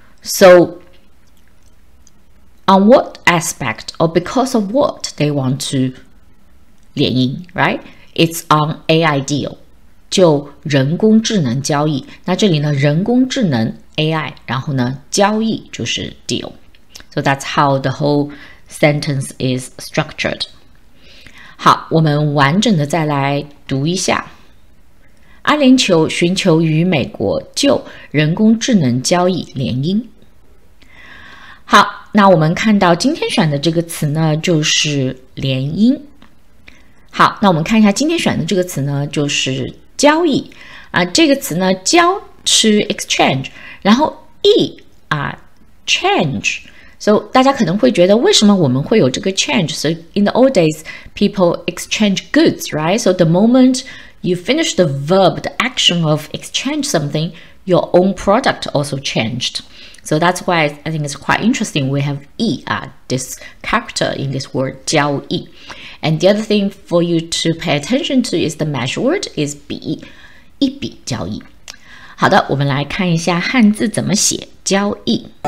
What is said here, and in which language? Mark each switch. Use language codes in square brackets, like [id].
[en] So on what aspect or because of what they want to 联姻 ，right? It's on AI deal, [zh] 就人工智能交易。那这里呢，人工智能。AI, 然后呢交易就是 deal. [en] So that's how the whole sentence is structured. [zh] 好，我们完整的再来读一下。阿联酋寻求与美国就人工智能交易联姻。好，那我们看到今天选的这个词呢就是联姻。好，那我们看一下今天选的这个词呢就是交易。啊，这个词呢交是 exchange。然后 E 啊 change, so 大家可能会觉得为什么我们会有这个 change? [en] So in the old days, people exchange goods, right? So the moment you finish the verb, the action of exchange something, your own product also changed. So that's why I think it's quite interesting. We have E, this character in this word, 交易. And the other thing for you to pay attention to is the match word is 比, [zh] 一笔交易。好的，我们来看一下汉字怎么写交易。